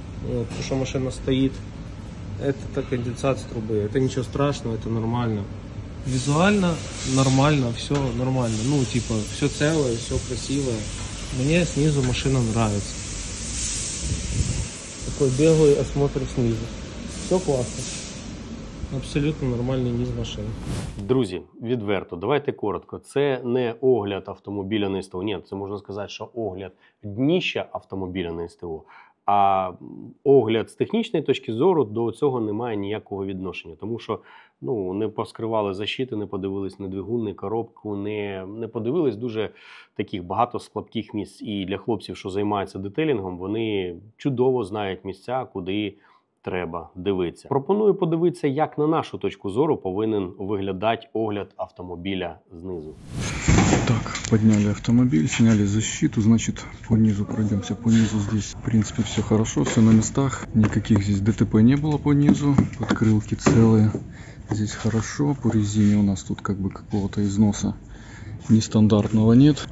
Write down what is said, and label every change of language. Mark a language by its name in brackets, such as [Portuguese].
[Russian] Вот, потому что машина стоит, это конденсат с трубы, это ничего страшного, это нормально. Визуально нормально, все нормально, ну типа все целое, все красивое. Мне снизу машина нравится. Такой беглый осмотр снизу, все классно. [Ukrainian] Абсолютно нормальний низ машини. Друзі, відверто, давайте коротко. Це не огляд автомобіля на СТО, ні, це можна сказати, що огляд дніща автомобіля на СТО. А огляд з технічної точки зору до цього не має ніякого відношення. Тому що ну, не поскривали защити, не подивились на двигун, коробку, не подивились дуже таких багато слабких місць. І для хлопців, що займаються детелінгом, вони чудово знають місця, куди треба дивитися. Пропоную подивитися, як на нашу точку зору повинен виглядати огляд автомобіля знизу. [Russian] Так, подняли автомобиль, сняли защиту, значит, по низу пройдемся. По низу здесь, в принципе, все хорошо, все на местах. Никаких здесь ДТП не было по низу, подкрылки целые. Здесь хорошо, по резине у нас тут как бы какого-то износа нестандартного нет.